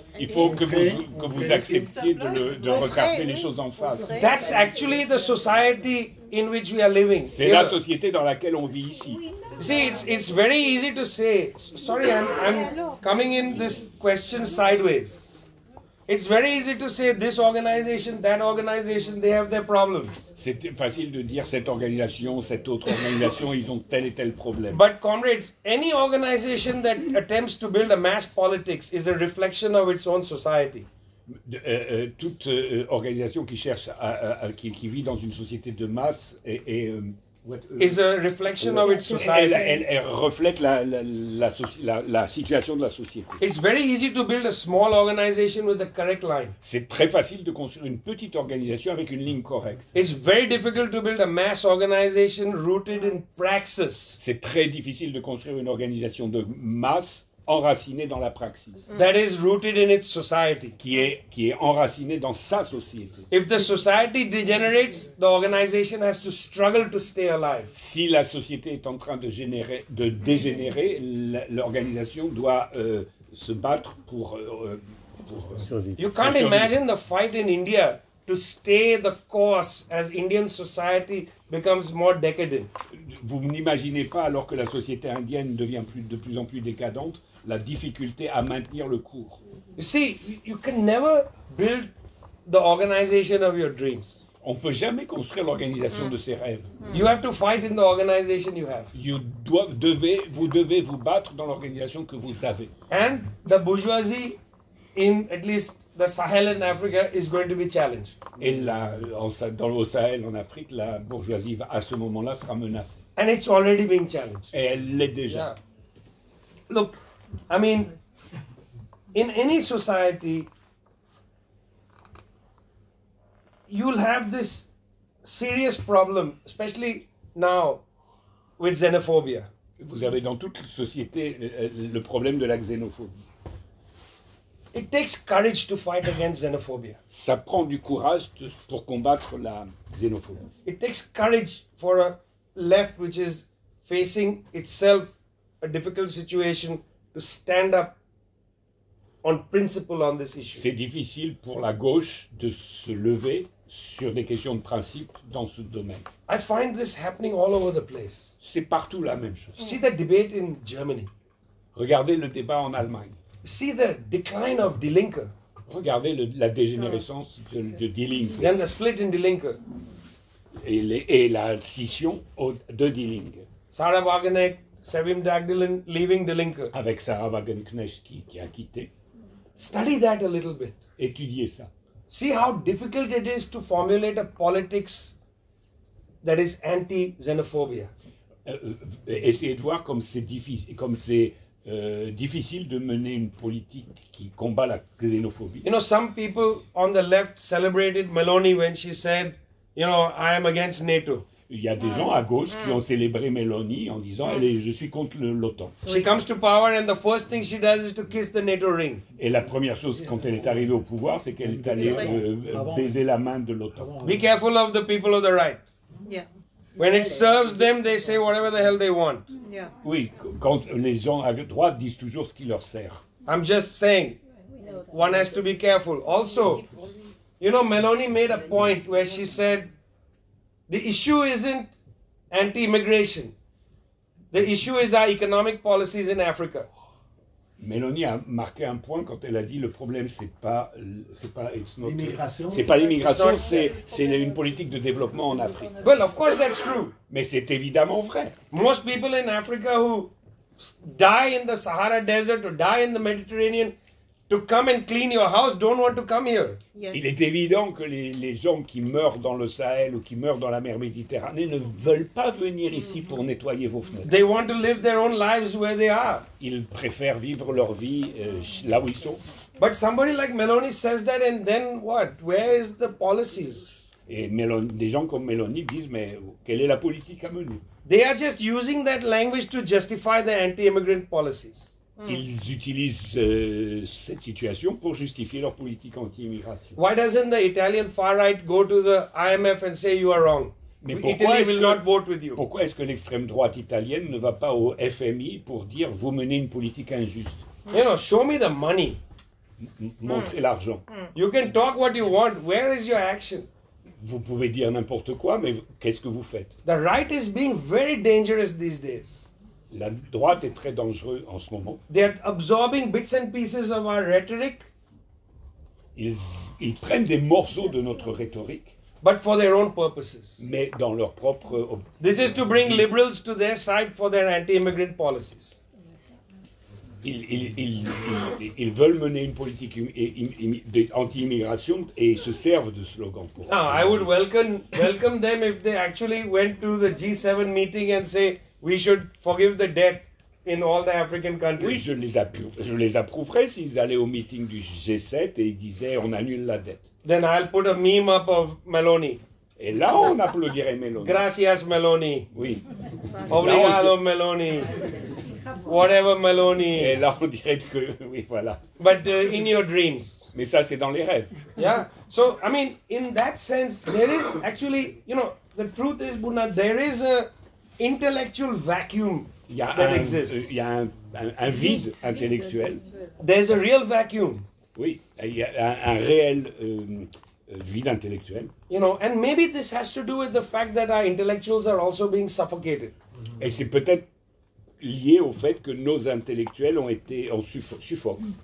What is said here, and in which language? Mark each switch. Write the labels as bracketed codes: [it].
[fr] Il faut que vous acceptiez de regarder les choses en face. [en] That's actually the society in which we are living. [fr] C'est la société dans laquelle on vit ici. [en] See, it's very easy to say. Sorry, I'm coming in this question sideways. It's very easy to say this organization, that organization, they have their problems. [fr] C'est facile de dire cette organisation, cette autre organisation, ils ont tel et tel problème. [en] But comrades, any organization that attempts to build a mass politics is a reflection of its own society. [fr] Toute organisation qui cherche qui vit dans une société de masse [en] is a reflection of its society. [fr] Elle reflète la situation de la société. [en] It's very easy to build a small organization with the correct line. [fr] C'est très facile de construire une petite organisation avec une ligne correcte. [en] It's very difficult to build a mass organization rooted in praxis. [fr] C'est très difficile de construire une organisation de masse enracinée dans la praxis. [en] That is rooted in its society. [fr] Qui est enracinée dans sa société. [en] If the society degenerates, the organization has to struggle to stay alive. [fr] Si la société est en train de dégénérer, l'organisation doit se battre pour survivre. [en] You can't imagine the fight in India to stay the course as Indian society becomes more decadent. [fr] Vous n'imaginez pas, alors que la société indienne devient de plus en plus décadente, la difficulté à maintenir le cours. [en] You see, you can never build the organization of your dreams. [fr] On peut jamais construire l'organisation de ses rêves. [en] You have to fight in the organization you have. [fr] Vous devez vous battre dans l'organisation que vous avez. [en] And the bourgeoisie in at least the Sahel in Africa is going to be challenged. [fr] Et au Sahel en Afrique, la bourgeoisie à ce moment-là sera menacée. [en] And it's already being challenged. [fr] Et elle l'est déjà. [en] Yeah. Look, I mean, in any society, you'll have this serious problem, especially now, with xenophobia. [fr] Vous avez dans toute société le problème de la xénophobie. [en] It takes courage to fight against xenophobia. [fr] Ça prend du courage pour combattre la xénophobie. [en] It takes courage for a left which is facing itself a difficult situation to stand up on principle on this issue. [fr] C'est difficile pour la gauche de se lever sur des questions de principe dans ce domaine. [en] I find this happening all over the place. [fr] C'est partout la même chose. [en] See the debate in Germany. [fr] Regardez le débat en Allemagne. [en] See the decline of Die Linke. [fr] Regardez la dégénérescence de Die Linke. [en] Then the split in Die Linke. [fr] Et la scission de Die Linke. [en] Sarah Wagenknecht, Sevim Dagdalen leaving Die Linke. [fr] Avec Sarah Wagenknecht qui a quitté. [en] Study that a little bit. [fr] Étudiez ça. [en] See how difficult it is to formulate a politics that is anti-xenophobia. [fr] Essayez de voir comme c'est difficile, difficile de mener une politique qui combat la xénophobie. [en] You know, some people on the left celebrated Meloni when she said, you know, I am against NATO. [fr] Il y a des gens à gauche qui ont célébré Meloni en disant, je suis contre l'OTAN. [en] She comes to power and the first thing she does is to kiss the NATO ring. [fr] Et la première chose quand elle est arrivée au pouvoir, c'est qu'elle est allée baiser la main de l'OTAN. [en] Be careful of the people of the right. Yeah. When it serves them, they say whatever the hell they want. Yeah. [fr] Oui, quand les gens à droite disent toujours ce qui leur sert. [en] I'm just saying, one has to be careful. Also, you know, Meloni made a point where she said, the issue isn't anti-immigration. The issue is our economic policies in Africa. [fr] Mélanie a marqué un point quand elle a dit le problème c'est pas l'immigration. C'est pas l'immigration, c'est une politique de développement en Afrique. [en] Well, of course that's true. [fr] Mais c'est évidemment vrai. [en] Most people in Africa who die in the Sahara Desert or die in the Mediterranean to come and clean your house, don't want to come here. Yes. [fr] Il est évident que les gens qui meurent dans le Sahel ou qui meurent dans la mer Méditerranée ne veulent pas venir ici pour nettoyer vos fenêtres. [en] They want to live their own lives where they are. [fr] Ils préfèrent vivre leur vie là où ils sont. [en] But somebody like Meloni says that and then what? Where is the policies? [fr] Et des gens comme Meloni disent, mais quelle est la politique à mener? [en] They are just using that language to justify the anti-immigrant policies. [fr] Ils utilisent cette situation pour justifier leur politique anti-immigration. [en] Why doesn't the Italian far right go to the IMF and say you are wrong? [fr] Mais pourquoi [en] Italy will not vote with you. [fr] Pourquoi est-ce que l'extrême droite italienne ne va pas au FMI pour dire vous menez une politique injuste? [en] You know, show me the money. [fr] Montrez l'argent. [en] You can talk what you want. Where is your action? [fr] Vous pouvez dire n'importe quoi, mais qu'est-ce que vous faites? [en] The right is being very dangerous these days. [fr] La droite est très dangereuse en ce moment. [en] They are absorbing bits and pieces of our rhetoric. [fr] Ils prennent des morceaux de notre rhétorique. [en] But for their own purposes. [fr] Mais dans leur propre. [en] This is to bring liberals to their side for their anti-immigrant policies. [fr] Ils veulent mener une politique anti-immigration et ils se servent de slogan. [en] Pour now, I would welcome them if they actually went to the G7 meeting and say. We should forgive the debt in all the African countries. [fr] Oui, je les approuverais s'ils allaient au meeting du G7 et ils disaient on annule la dette. [en] Then I'll put a meme up of Meloni. [fr] Et là, on applaudirait Meloni. [es] Gracias, Meloni. [fr] Oui. [en] Obrigado, Meloni. Whatever, Meloni. [fr] Et là, on dirait que oui, voilà. [en] But in your dreams. [fr] Mais ça, c'est dans les rêves. [en] Yeah. So, I mean, in that sense, there is actually, you know, the truth is, Buna, there is a intellectual vacuum that exists. [fr] Il y a un vide intellectuel. [en] There's a real vacuum. [fr] Oui, il y a un réel vide intellectuel. [en] You know, and maybe this has to do with the fact that our intellectuals are also being suffocated. Mm-hmm. [fr] Et c'est peut-être lié au fait que nos intellectuels ont suffoqué.